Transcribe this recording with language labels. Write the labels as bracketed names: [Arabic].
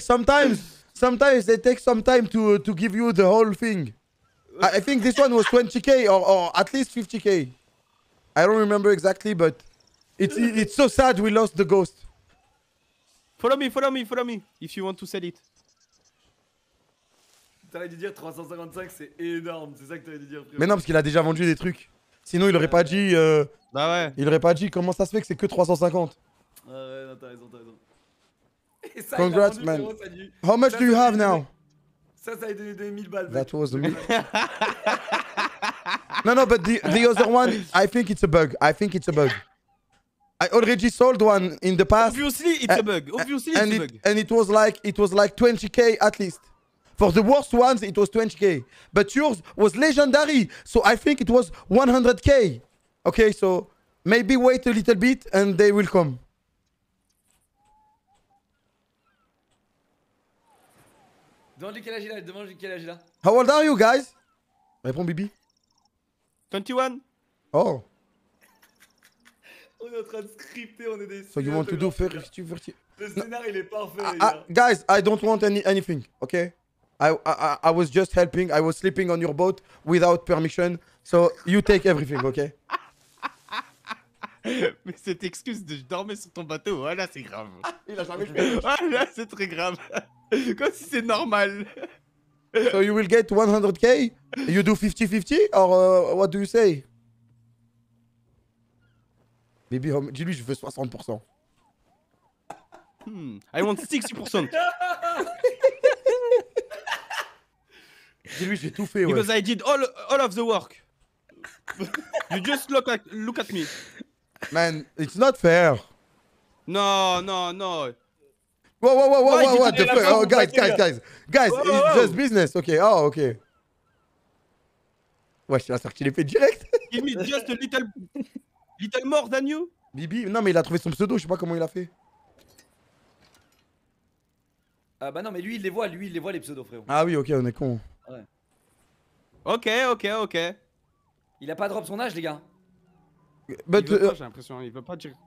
[English] Sometimes they take some time to give you the whole thing. I think this one was 20k or at least 50k. I don't remember exactly, but it's so sad we lost the ghost. Follow me if you want to sell it. [French] T'aurais dû dire 355, c'est énorme, c'est ça que t'aurais dû dire. Mais non, parce qu'il a déjà vendu des trucs. Sinon, il aurait pas dit. Bah ouais. Il aurait pas dit comment ça se fait que c'est que 350. Ouais, non, t'as raison. Et ça, congrats, vendu, man. [English] Frérot, how much ça, do you have now? [French] Ça a donné 1000 balles. [English] That was me. No, but the other one, I think it's a bug. I already sold one in the past. Obviously, it's a bug. And it was like 20k at least. For the worst ones, it was 20k. But yours was legendary. So I think it was 100k. Okay, so maybe wait a little bit and they will come. [French] Demande-lui quel âge il a. [English] How old are you guys? [French] Réponds Bibi. [English] 21. Oh. [French] On est en train de scripter, on est des... [English] So you want to do first? [French] Le scénario, il est parfait, les gars. [English] Guys, I don't want anything, okay? I was just helping. I was sleeping on your boat without permission. So you take everything, okay? [French] Mais cette excuse de dormir sur ton bateau, voilà, c'est grave. Il a jamais fait. Voilà, c'est très grave. Comme si c'est normal. [English] So you will get 100k? You do 50-50? Or what do you say? [French] Baby, dis-lui, je veux 60%. [English] I want 60%. [French] Dis-lui, j'ai tout fait, ouais. [English] Because I did all of the work. You just look at me. Man, it's not fair. No. What the fuck? Oh, guys, whoa. It's just business. Okay. [French] Ouais, je suis sorti l'effet direct. [English] Give me just a little more than you. [French] Bibi, non, mais il a trouvé son pseudo, je sais pas comment il a fait. Ah bah non, mais lui, il les voit les pseudos, frérot. Ah oui, ok, on est con. Ouais. Ok. Il a pas drop son âge, les gars. [English] But [French] il veut pas, j'ai l'impression, il veut pas dire.